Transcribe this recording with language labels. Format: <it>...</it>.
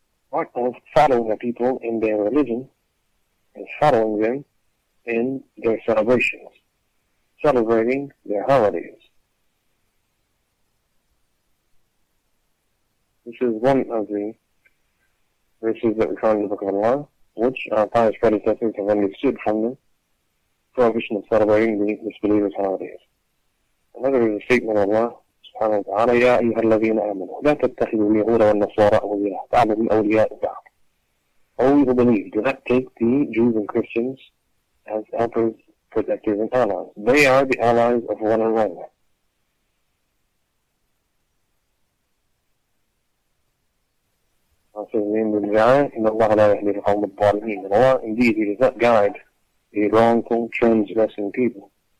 <en>Part of following the people in their religion is following them in their celebrations, celebrating their holidays. This is one of the verses that we find in the Book of Allah, which our pious predecessors have understood from the prohibition of celebrating the disbelievers' holidays. Another is a statement of Allah, subhanahu wa ta'ala,</en> <ar>يَا أَيُّهَا الَّذِينَ آمَنُوا لَا تَتَّخِذُوا الْيَهُودَ وَالنَّصَارَى أَوْلِيَاءَ بَعْضُهُمْ أَوْلِيَاءُ بَعْضٍ.</ar> <en>All you who believe, do not take the Jews and Christians as helpers, protectors, and allies. They are the allies of one another. Also, the end of the ayah,</en> <ar>إِنَّ اللَّهَ لَا يَهْدِي الْقَوْمَ الظَّالِمِينَ.</ar> <en>Allah, indeed, He does not guide the wrongful, transgressing people.</en>